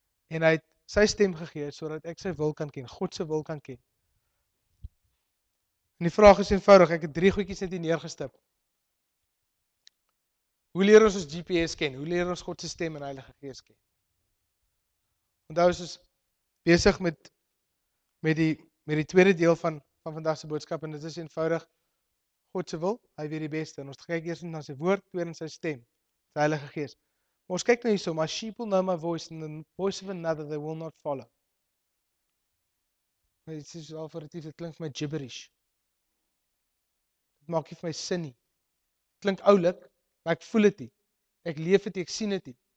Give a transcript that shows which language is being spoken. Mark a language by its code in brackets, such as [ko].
[af] En hy het sy stem gegee, sodat ek sy wil kan ken, God sy wil kan ken. En die vraag is eenvoudig, ek het drie goedjies net hier neergestip. Hoe leer ons ons GPS ken? Hoe leer ons God sy stem en Heilige Gees ken? Onthou is ons besig met die tweede deel van vandag se boodskap, en dit is eenvoudig, God se wil, hy weet die beste, en ons kyk eers na sy woord, tweede in sy stem, sy Heilige Gees. Maar ons kyk nou hierso, [en] my sheep will know my voice, and the voice of another, they will not follow. [af] Dit is al vir die, dit klink vir my gibberish. Dit maak nie vir my sin nie. Dit klink oulik, maar ek voel het nie. Ek leef het nie, ek sien het nie.